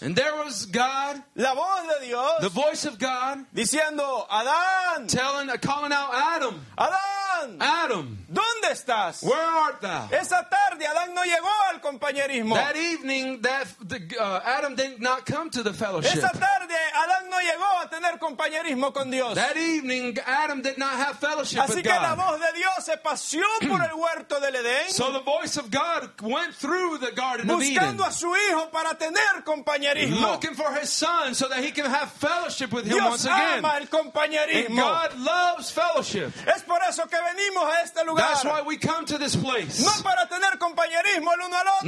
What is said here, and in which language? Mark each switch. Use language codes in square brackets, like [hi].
[en] And there was God. [es] La voz de Dios. [en] The voice of God. [es] Diciendo, Adán. [en] Telling, calling out Adam. [es] Adán. [en] Adam. [es] ¿Dónde estás? [en] Where art thou? [es] Esa tarde Adán no llegó al compañerismo. [en] That evening, Adam did not come to the fellowship. [es] Esa tarde Adán no llegó a tener compañerismo con Dios. [en] That evening, Adam did not have fellowship [es] Así Así que la voz de Dios se paseó por el huerto del Edén. [en] So the voice of God went through the Garden of Eden. [es] Buscando a su hijo para tener compañerismo. [en] Looking for his son so that he can have fellowship with [es] Dios [en] him once again. [es] Dios ama el compañerismo. [en] And God loves fellowship. [es] Es por eso que venimos a este lugar. [en] That's why we come to this place. [es] No para tener compañerismo el uno al otro.